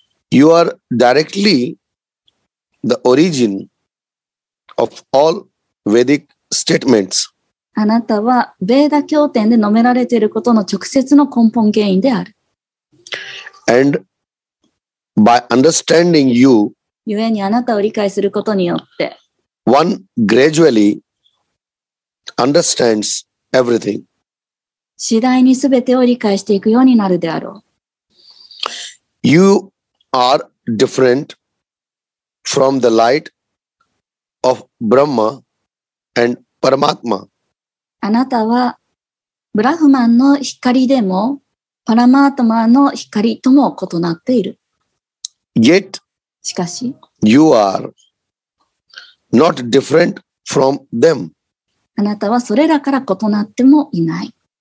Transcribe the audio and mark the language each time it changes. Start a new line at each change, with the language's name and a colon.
English: You are directly the origin of all Vedic statements.
Japanese: あなたはベーダ経典で述べられていることの直接の根本原因である。
English: And by understanding you,
Japanese: ゆえにあなたを理解することによって、
English: one gradually understands everything.
Japanese: 次第にすべてを理解していくようになるであろう。
English: You are different from the light of Brahma and Paramatma.
Japanese: あなたはブラフマンの光でもパラマートマの光とも異なっている。
English: Yet,
Japanese: しかし、
English: you are not different from them.
Japanese: あなたはそれらから異なってもいない。